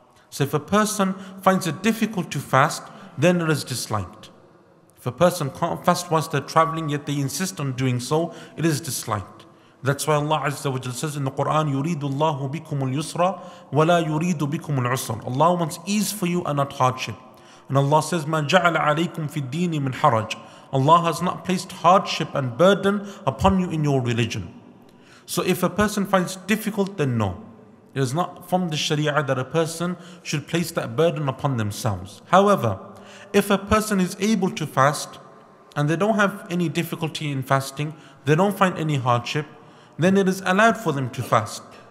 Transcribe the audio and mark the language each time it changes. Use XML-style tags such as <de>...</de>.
<en>So if a person finds it difficult to fast, then it is disliked. If a person can't fast whilst they're traveling, yet they insist on doing so, it is disliked. That's why Allah Azza wa Jalla says in the Quran,</en> <ar>يُرِيدُ اللَّهُ بِكُمُ الْيُسْرَ وَلَا يُرِيدُ بِكُمُ الْعُسْرَ.</ar> <en>Allah wants ease for you and not hardship.</en> <ar>And Allah says, مَا جَعَلَ عَلَيْكُمْ فِي الدِّينِ مِنْ حَرَجٍ.</ar> <en>Allah has not placed hardship and burden upon you in your religion. So if a person finds it difficult, then no. It is not from the Sharia that a person should place that burden upon themselves. However, if a person is able to fast and they don't have any difficulty in fasting, they don't find any hardship, then it is allowed for them to fast.</en>